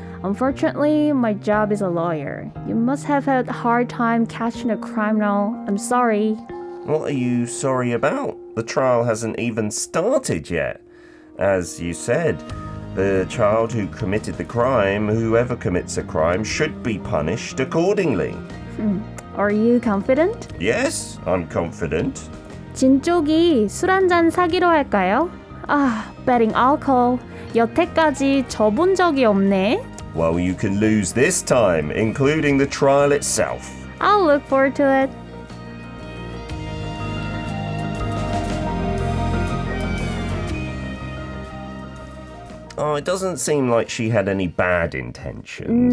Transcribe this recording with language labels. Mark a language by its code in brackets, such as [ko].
[en] Unfortunately, my job is a lawyer. You must have had a hard time catching a criminal. I'm sorry. What are you sorry about? The trial hasn't even started yet. As you said, the child who committed the crime, whoever commits a crime, should be punished accordingly. Are you confident? Yes, I'm confident. [ko] 진쪽이 술 한 잔 사기로 할까요? [en] Ah, betting alcohol. [ko] 여태까지 져본 적이 없네. [en] Well, you can lose this time, including the trial itself. I'll look forward to it. Oh, it doesn't seem like she had any bad intentions.